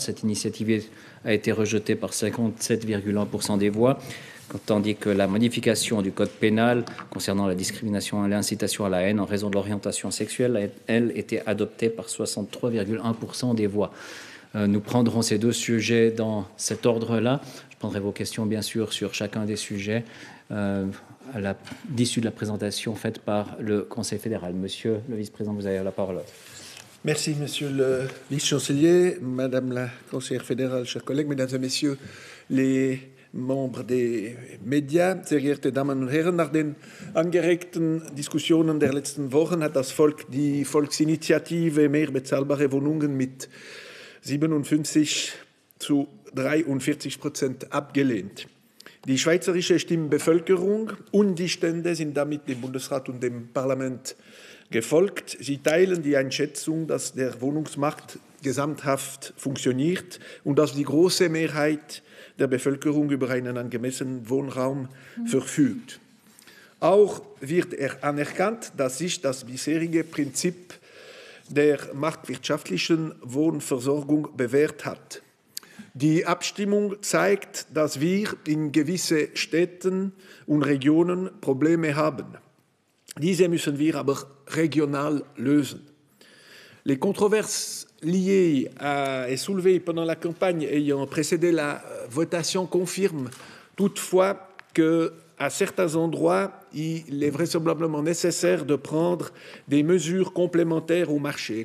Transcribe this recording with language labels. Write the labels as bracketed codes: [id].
[fr] Cette initiative a été rejetée par 57,1% des voix, tandis que la modification du code pénal concernant la discrimination et l'incitation à la haine en raison de l'orientation sexuelle, elle, était adoptée par 63,1% des voix. Nous prendrons ces deux sujets dans cet ordre-là. Je prendrai vos questions, bien sûr, sur chacun des sujets à l'issue de la présentation faite par le Conseil fédéral. Monsieur le vice-président, vous avez la parole. Merci, monsieur le vice-chancelier, madame la conseillère fédérale, chers collègues, mesdames et messieurs les membres des médias, [de] sehr geehrte Damen und Herren, nach den angeregten Diskussionen der letzten Wochen hat das Volk die Volksinitiative Mehr bezahlbare Wohnungen mit 57-43% abgelehnt. Die schweizerische Stimmbevölkerung und die Stände sind damit dem Bundesrat und dem Parlament gefolgt. Sie teilen die Einschätzung, dass der Wohnungsmarkt gesamthaft funktioniert und dass die große Mehrheit der Bevölkerung über einen angemessenen Wohnraum verfügt. Auch wird anerkannt, dass sich das bisherige Prinzip der marktwirtschaftlichen Wohnversorgung bewährt hat. Die Abstimmung zeigt, dass wir in gewissen Städten und Regionen Probleme haben. Diese müssen wir aber regional lösen. [fr] Les controverses liées et soulevées pendant la campagne ayant précédé la votation confirment toutefois qu'à certains endroits, il est vraisemblablement nécessaire de prendre des mesures complémentaires au marché.